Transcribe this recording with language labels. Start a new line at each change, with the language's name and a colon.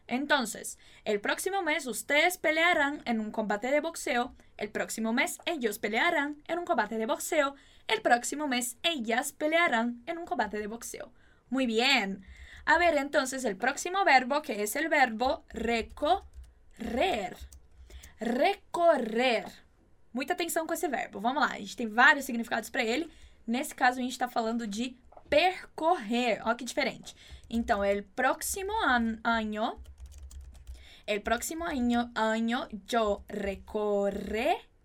Spanish: Entonces, el próximo mes ustedes pelearán en un combate de boxeo. El próximo mes ellos pelearán en un combate de boxeo. El próximo mes ellas pelearán en un combate de boxeo. Muy bien. A ver, entonces, el próximo verbo, que es el verbo recorrer. Recorrer.
Portuguese: Muita atenção com esse verbo. Vamos lá. A gente tem vários significados para ele. Nesse caso, a gente está falando de percorrer, ó, que diferente.
Spanish: Então, el próximo año, el próximo año, yo recorreré.